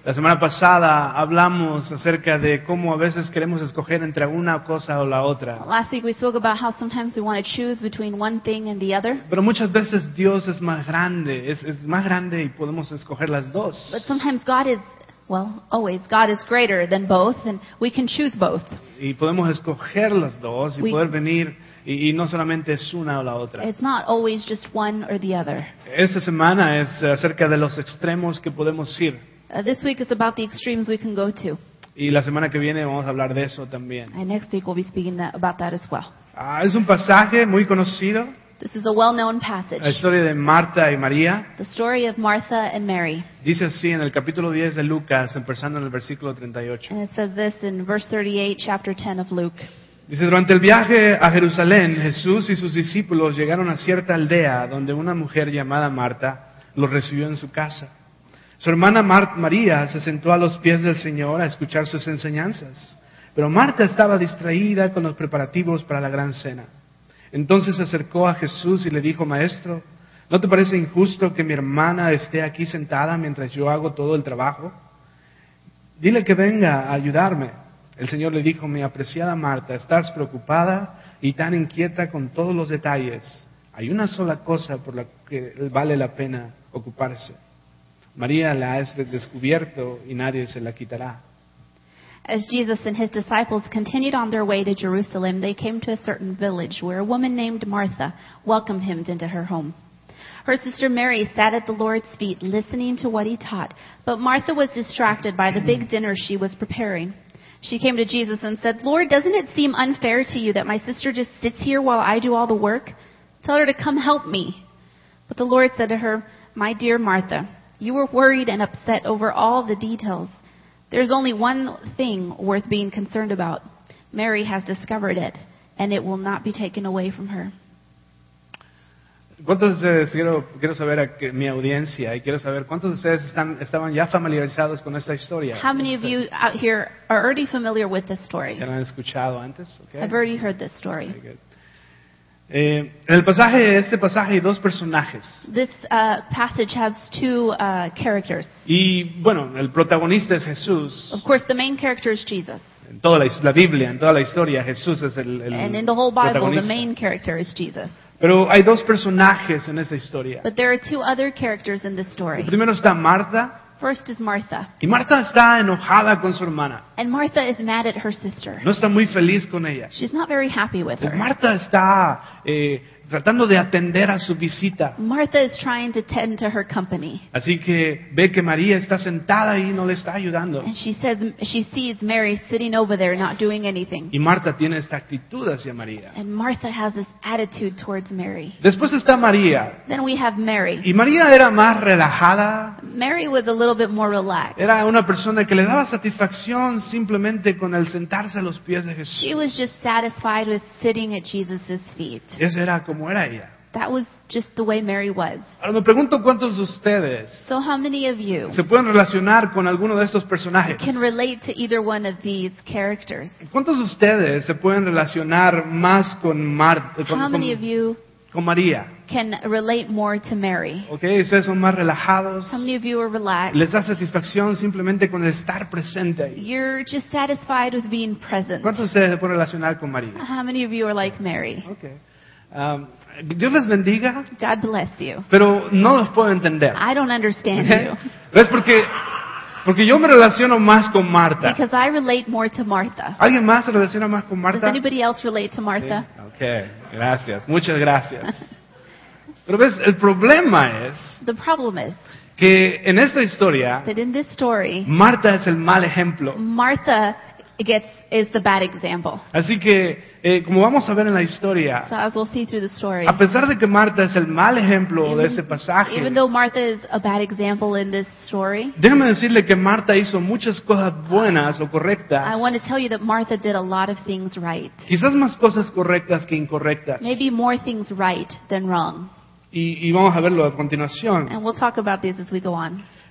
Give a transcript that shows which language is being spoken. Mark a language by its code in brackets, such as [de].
[es] La semana pasada hablamos acerca de cómo a veces queremos escoger entre una cosa o la otra. [en] Last week we spoke about how sometimes we want to choose between one thing and the other. [es] Pero muchas veces Dios es más grande, es más grande y podemos escoger las dos. [en] But sometimes God is greater than both and we can choose both. [es] Y podemos escoger las dos y poder venir y no solamente es una o la otra. [en] It's not always just one or the other. [es] Esta semana es acerca de los extremos que podemos ir. [en] This week is about the extremes we can go to. [es] Y la semana que viene vamos a hablar de eso también. [en] And next week we'll be speaking about that as well. [es] Es un pasaje muy conocido. [en] This is a well-known passage. [es] La historia de Marta y María. [en] The story of Martha and Mary. [es] Dice así en el capítulo 10 de Lucas, empezando en el versículo 38. [en] And it says this in verse 38, chapter 10 of Luke. [es] Dice, durante el viaje a Jerusalén, Jesús y sus discípulos llegaron a cierta aldea donde una mujer llamada Marta los recibió en su casa. Su hermana María se sentó a los pies del Señor a escuchar sus enseñanzas, pero Marta estaba distraída con los preparativos para la gran cena. Entonces se acercó a Jesús y le dijo, Maestro, ¿no te parece injusto que mi hermana esté aquí sentada mientras yo hago todo el trabajo? Dile que venga a ayudarme. El Señor le dijo, mi apreciada Marta, estás preocupada y tan inquieta con todos los detalles. Hay una sola cosa por la que vale la pena ocuparse. María la ha descubierto y nadie se la quitará. [en] As Jesus and his disciples continued on their way to Jerusalem, they came to a certain village where a woman named Martha welcomed him into her home. Her sister Mary sat at the Lord's feet listening to what he taught, but Martha was distracted by the big dinner she was preparing. She came to Jesus and said, Lord, doesn't it seem unfair to you that my sister just sits here while I do all the work? Tell her to come help me. But the Lord said to her, my dear Martha, you were worried and upset over all the details. There's only one thing worth being concerned about. Mary has discovered it, and it will not be taken away from her. [es] ¿Cuántos de ustedes, quiero saber a que, mi audiencia, y quiero saber cuántos de ustedes estaban ya familiarizados con esta historia? [en] How many of you out here are already familiar with this story? [es] ¿Ya lo han escuchado antes? Okay. [en] I've already heard this story. [es] En el pasaje, este pasaje hay dos personajes. [en] This passage has two characters. [es] Y bueno, el protagonista es Jesús. [en] Of course, the main character is Jesus. [es] En toda la Biblia, en toda la historia, Jesús es el protagonista. [en] And in the whole Bible, the main character is Jesus. [es] Pero hay dos personajes en esa historia. [en] But there are two other characters in this story. [es] El primero está Martha. [en] First is Martha. [es] Y Martha está enojada con su hermana. [en] And Martha is mad at her sister. [es] No está muy feliz con ella. [en] She's not very happy with her. [es] Martha está tratando de atender a su visita. [en] Martha is trying to tend to her company. [es] Así que ve que María está sentada y no le está ayudando. [en] And she says she sees Mary sitting over there not doing anything. [es] Y Martha tiene esta actitud hacia María. [en] And Martha has this attitude towards Mary. [es] Después está María. [en] Then we have Mary. [es] Y María era más relajada. [en] Mary was a little bit more relaxed. [es] Era una persona que le daba satisfacción simplemente con el sentarse a los pies de Jesús. [en] She was just satisfied with sitting at Jesus' feet. [es] Esa era como era ella. [en] That was just the way Mary was. [es] Ahora me pregunto cuántos de ustedes [en] so how many of you [es] se pueden relacionar con alguno de estos personajes. [en] Can relate to either one of these characters. [es] ¿Cuántos de ustedes se pueden relacionar más con Marta? [en] How many of you [es] con María? [en] Can relate more to Mary. [es] Okay, ustedes son más relajados. [en] How many of you are relaxed? [es] Les da satisfacción simplemente con el estar presente. [en] You're just satisfied with being present. [es] ¿Cuántos de ustedes se pueden relacionar con María? [en] How many of you are like Mary? [es] Okay. Dios les bendiga. [en] God bless you. [es] Pero no los puedo entender. [en] I don't understand you. [es] ¿Ves? Porque yo me relaciono más con Marta. [en] Because I relate more to Martha. [es] ¿Alguien más se relaciona más con Marta? [en] Does anybody else relate to Martha? [es] Sí. Okay. Gracias. Muchas gracias. Pero ves, el problema es [en] the problem is [es] que en esta historia [en] that in this story, [es] Marta es el mal ejemplo. [en] Martha is the bad example. [es] Así que como vamos a ver en la historia, [en] so as we'll see through the story, [es] a pesar de que Marta es el mal ejemplo de ese pasaje, [en] even though Martha is a bad example in this story, [es] déjame decirle que Marta hizo muchas cosas buenas o correctas. [en] I want to tell you that Martha did a lot of things right. [es] Quizás más cosas correctas que incorrectas. [en] Maybe more things right than wrong. [es] Y vamos a verlo a continuación. [en] And we'll talk about these as we go on.